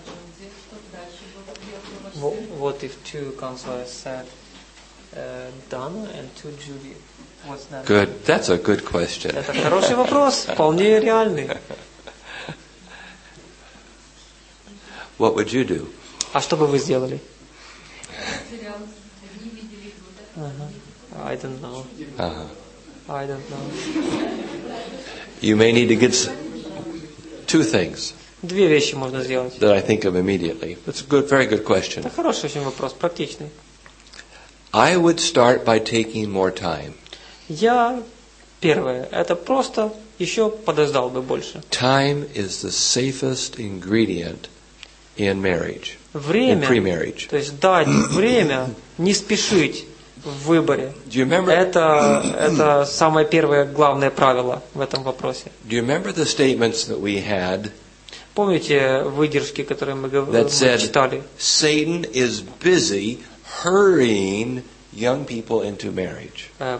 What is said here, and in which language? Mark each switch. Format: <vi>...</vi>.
<en>What if two counselors said Dana and two Judy? What's that? Good. That's a good question.</en> <ru>Это хороший вопрос, вполне реальный.</ru> <en>What would you do?</en> <ru>А что бы вы сделали?</ru> <en>I don't know. Uh-huh. I don't know. You may need to get two things.</en> <ru>Две вещи можно сделать.</ru> <en>That I think of immediately. That's a good, very good question.</en> <ru>Это хороший очень вопрос, практичный.</ru> <en>I would start by taking more time.</en> <ru>Я первое, это просто еще подождал бы больше.</ru> <en>Time is the safest ingredient in marriage.</en> <ru>Время,</ru> <en>in pre-marriage.</en> <ru>То есть дать время, не спешить в выборе.</ru> <en>Do you remember?</en> <ru>Это самое первое главное правило в этом вопросе.</ru> <en>Do you remember the statements that we had?</en> <ru>Помните выдержки, которые мы читали?</ru> <en>Satan is busy hurrying young people into marriage.</en>